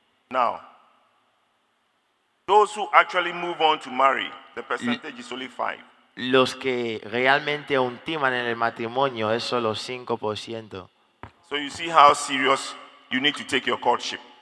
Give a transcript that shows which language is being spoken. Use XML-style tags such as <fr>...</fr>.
<en>Now, those who actually move on to marry, the percentage is only 5.</en> <es>Los que realmente ultiman en el matrimonio es solo 5%.</es> <en>So you see how serious you need to take your courtship.</en>